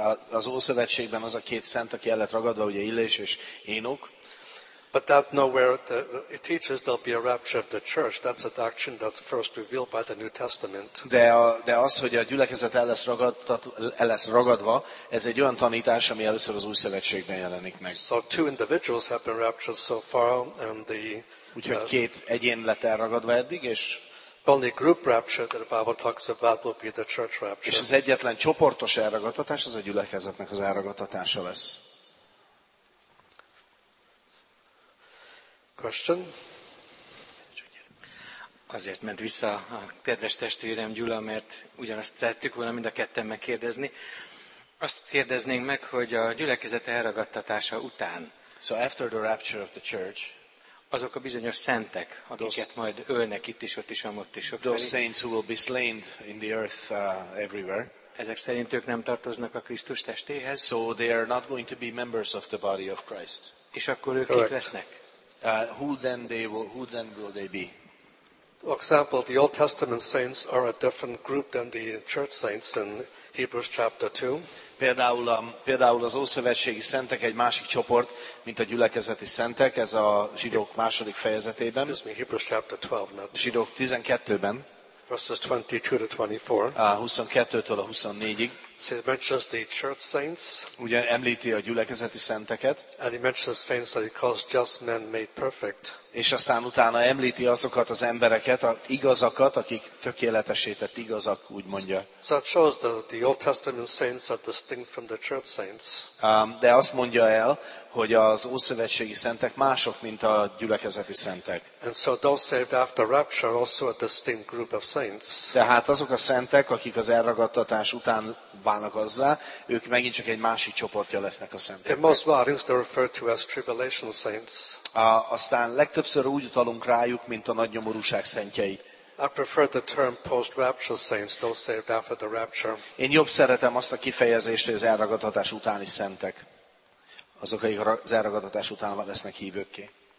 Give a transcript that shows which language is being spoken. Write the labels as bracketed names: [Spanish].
[Hungarian] Az Ószövetségben az a két szent, aki el lett ragadva, ugye Illés és Énok. [English] But that nowhere it teaches there'll be a rapture of the church. That's a doctrine that's first revealed by the New Testament. [Hungarian] De az, hogy a gyülekezet el lesz ragadva, ez egy olyan tanítás, ami először az Új Szövetségben jelenik meg. [English] So two individuals have been raptured so far, and the [Hungarian] úgyhogy két egyén lett elragadva eddig, és [English] only group rapture that the Bible talks about will be the church rapture. [Hungarian] És az egyetlen csoportos elragadtatás az a gyülekezetnek az elragadtatása lesz. [English] Question? [Hungarian] Azért ment vissza a kedves testvérem Gyula, mert ugyanazt szerettük volna mind a ketten megkérdezni. Azt kérdeznénk meg, hogy a gyülekezet elragadtatása után. [English] So after the rapture of the church, [Hungarian] azok a bizonyos szentek, akiket [English] those, [Hungarian] majd ölnek itt is, ott is, amott is, sokfelé. [English] Those saints who will be slain in the earth everywhere. [Hungarian] Ezek szerint ők nem tartoznak a Krisztus testéhez. [English] So they are not going to be members of the body of Christ. [Hungarian] És akkor ők kik lesznek? [English] Who then will they be? For example, the Old Testament saints are a different group than the church saints in Hebrews chapter 2. [Hungarian] Például az ószövetségi szentek egy másik csoport, mint a gyülekezeti szentek, ez a zsidók második fejezetében. [English] Excuse me, Hebrews chapter 12, not 2. [Hungarian] Zsidók 12-ben. [English] Verses 22-24. [Hungarian] 22-től a 24-ig. [English] So it mentions the church saints. [Hungarian] Ugye említi a gyülekezeti szenteket. [English] And he mentions saints that he calls just men made perfect. [Hungarian] És aztán utána említi azokat az embereket, az igazakat, akik tökéletesített igazak, úgy mondja. [English] So it shows that the Old Testament saints are distinct from the church saints. [Hungarian] De azt mondja el, hogy az ószövetségi szentek mások, mint a gyülekezeti szentek. [English] And so those saved after rapture are also a distinct group of saints. [Hungarian] Tehát azok a szentek, akik az elragadtatás után válnak azzá, ők megint csak egy másik csoportja lesznek a szenteknek. [English] In most writings they're referred to as tribulation saints. [Hungarian] Aztán legtöbbször úgy utalunk rájuk, mint a nagy nyomorúság szentjei. [English] I prefer the term post-rapture saints, those saved after the rapture. [Hungarian] Én jobb szeretem azt a kifejezést, hogy az elragadtatás utáni szentek. Azok, akik az elragadtatás után lesznek hívőkké.